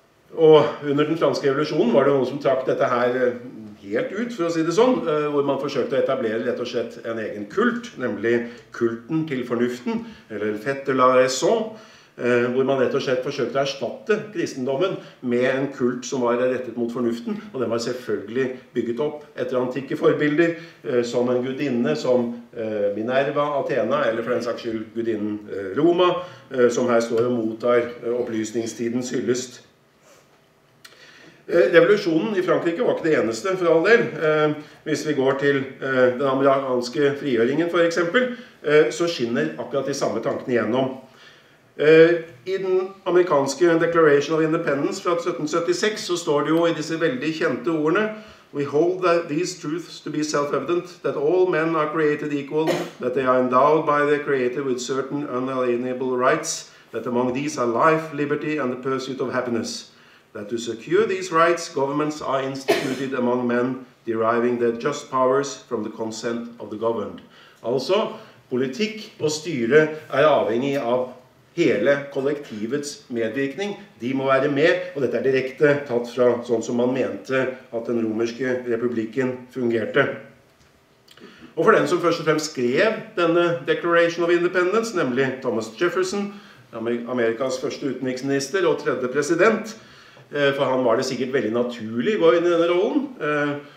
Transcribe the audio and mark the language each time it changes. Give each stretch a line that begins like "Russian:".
Norwegian: Og under den franske revolusjonen var det noen som trakk dette her helt ut, for å si det sånn, hvor man forsøkte å etablere rett og slett en egen kult, nemlig kulten til fornuften, eller fête de la raison, hvor man rett og slett forsøkte å erstatte kristendommen med en kult som var rettet mot fornuften, og den var selvfølgelig bygget opp etter antikke forbilder, som en gudinne som Minerva, Athena, eller for den saks skyld gudinnen Roma, som her står og mottar opplysningstidens hyllest. Revolusjonen i Frankrike var ikke det eneste for all del. Hvis vi går til den amerikanske frigjøringen for eksempel, så skinner akkurat de samme tankene igjennom. I den amerikanske Declaration of Independence fra 1776 så står det jo i disse veldig kjente ordene:
English: "We hold that these truths to be self-evident, that all men are created equal, that they are endowed by their creator with certain unalienable rights, that among these are life, liberty and the pursuit of happiness. That to secure these rights, governments are instituted among men, deriving their just powers from the consent of the governed."
Norwegian: Altså, politikk og styre er avhengig av hele kollektivets medvirkning. De må være med, og dette er direkte tatt fra sånn som man mente at den romerske republikken fungerte. Og for den som først og fremst skrev denne Declaration of Independence, nemlig Thomas Jefferson, Amerikas første utenriksminister og tredje president, for han var det sikkert veldig naturlig å gå inn i denne rollen.